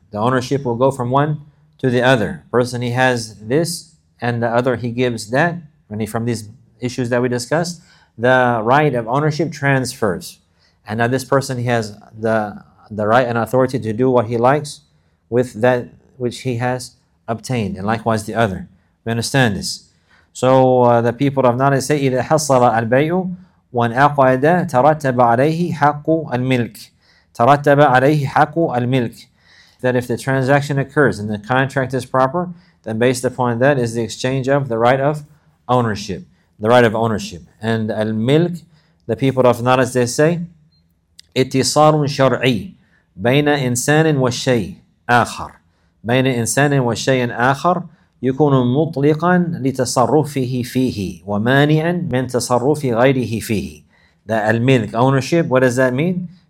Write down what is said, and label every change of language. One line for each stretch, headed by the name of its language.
English: The ownership will go from one to the other. Person, he has this, and the other, he gives that. And from these issues that we discussed, the right of ownership transfers. And now this person, he has the right and authority to do what he likes with that which he has obtained. And likewise the other. We understand this. So the people of knowledge say,
Arabic: إِذَا حَصَّلَ الْبَيْءُ وَنْأَقْعَدَ تَرَتَّبَ عَلَيْهِ حَقُّ الْمِلْكِ. تَرَتَّبَ عَلَيْهِ حَقُّ الْمِلْكِ.
English: That if the transaction occurs and the contract is proper, then based upon that is the exchange of the right of ownership. The right of ownership. And al-milk, the people of knowledge, they say,
Arabic: اتصالٌ شَرْعِي بَيْنَ إِنسَانٍ وَشَيْءٍ آخَرٍ بَيْنَ إِنسَانٍ وَشَيْءٍ آخَرٍ يكون مطلقا لتصرفه فيه ومانعا من تصرف غيره فيه.
English: The al-milk, ownership, what does that mean?